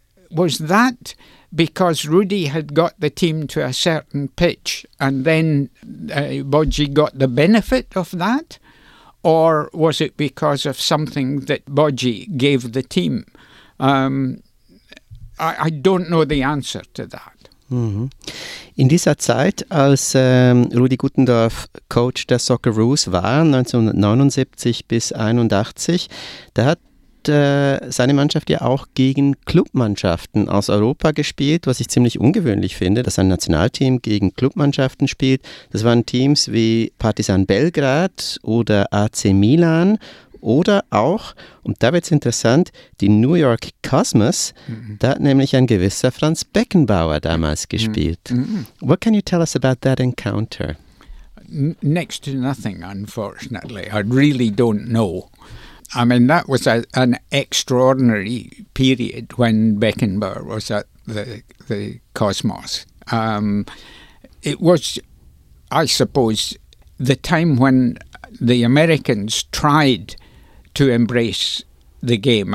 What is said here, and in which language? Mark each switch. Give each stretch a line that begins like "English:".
English: Was that because Rudy had got the team to a certain pitch and then Bodgy got the benefit of that? Or was it because of something that Bodgy gave the team? I don't know the answer to that.
German: In dieser Zeit, als Rudi Guttendorf Coach der Socceroos war, 1979 bis 81, da hat seine Mannschaft ja auch gegen Clubmannschaften aus Europa gespielt, was ich ziemlich ungewöhnlich finde, dass ein Nationalteam gegen Clubmannschaften spielt. Das waren Teams wie Partizan Belgrad oder AC Milan oder auch, und da wird es interessant, die New York Cosmos, da hat nämlich ein gewisser Franz Beckenbauer damals gespielt.
English: What can you tell us about that encounter? Next to nothing, unfortunately. I really don't know. I mean, that was an extraordinary period when Beckenbauer was at the Cosmos. It was, I suppose, the time when the Americans tried to embrace the game.